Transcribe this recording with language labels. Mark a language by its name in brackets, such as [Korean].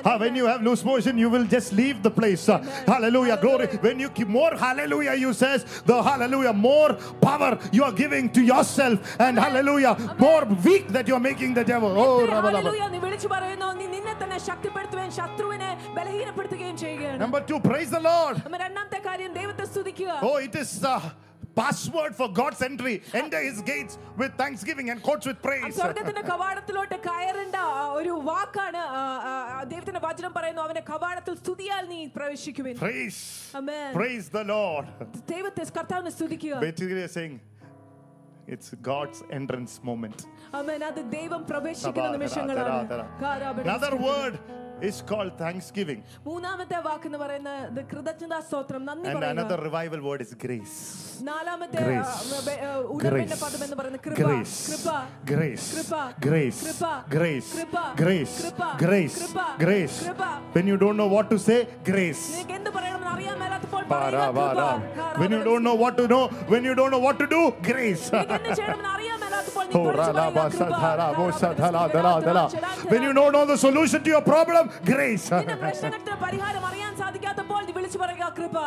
[English] When you have loose motion, you will just leave the place. Hallelujah. Glory. When you keep more hallelujah, you says the hallelujah, more power you are giving to yourself, and hallelujah, more weak that you are making the devil. Oh, hallelujah. [Malayalam] നീ വിളിച്ചു പറയുന്നു, നീ നിന്നെ തന്നെ ശക്തിപ്പെടുത്തുവേൻ, ശത്രുവിനെ ബലഹീനപ്പെടുത്തുകയും ചെയ്യുകയാണ്. [English] Number 2, praise the Lord. [Malayalam] രണ്ടാമത്തെ കാര്യം, ദൈവത്തെ സ്തുതിക്കുക. [English] Oh, it is password for God's entry. Enter his gates with thanksgiving and courts with praise. [Malayalam] സ്വർഗ്ഗത്തിന്റെ കവാടത്തിലോട്ട് കയറേണ്ട ഒരു വാക്കാണ്. ദൈവത്തിന്റെ വചനം പറയുന്നു, അവന്റെ കവാടത്തിൽ സ്തുതിയാൽ നീ പ്രവേശിക്കുവിൻ. [English] Praise the Lord. [Malayalam] ദൈവത്തെ കർത്താവിനെ സ്തുതിക്കുക. [English] Basically saying it's God's entrance moment. [Malayalam] Amen. അത് ദൈവം പ്രവേശിക്കുന്ന നിമിഷങ്ങളാണ്. [English] Another word is called thanksgiving. [Malayalam] മൂന്നാമത്തെ വാക്ക് എന്ന് പറയുന്നത് ദ കൃതജ്ഞതാ സ്തോത്രം, നന്ദി പറയുക. [English] And another revival word is grace. [Malayalam] നാലാമത്തെ ഉണർവിന്റെ പദം എന്ന് പറയുന്നത് കൃപ. കൃപ. Grace. കൃപ. [English] Grace. [Malayalam] കൃപ. [English] Grace. [Malayalam] കൃപ. [English] Grace. [Malayalam] കൃപ. [English] Grace. [Malayalam] കൃപ. [English] Grace. [Malayalam] കൃപ. [English] When you don't know what to say, grace. [Malayalam] നിങ്ങൾ എന്ത് പറയണമെന്ന് അറിയാമല്ലാത്തപ്പോൾ പറയുക കൃപ. [English] When you don't know what to know, when you don't know what to do, grace. [Malayalam] നിങ്ങൾ എന്ത് ചെയ്യണമെന്ന് അറിയാമല്ലാത്തപ്പോൾ നീ തുറന്നു പറയുക കൃപ. ഓ രാ ബാ സധാ ബോ സധാ ദലാ ദലാ. [English] When you don't know the solution to your problem, grace. [Malayalam] നിങ്ങൾ പ്രശ്നത്തിന് പരിഹാരം അറിയാൻ സാധിക്കാത്തപ്പോൾ നീ വിളിച്ചു പറയുക കൃപ.